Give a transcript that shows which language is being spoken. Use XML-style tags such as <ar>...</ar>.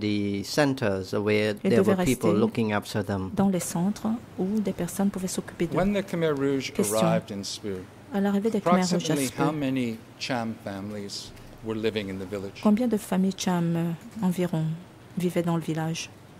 <en>in the centers where there were people looking after them.</en> <fr>Dans les centres où des personnes pouvaient s'occuper d'eux.</fr> <en>When the Khmer Rouge arrived in Spur,</en> <fr>à l'arrivée des Khmer Rouge à Spur,</fr> <en>how many Cham families were living in the village?</en> <fr>Combien de familles Cham environ vivaient dans le village?</fr>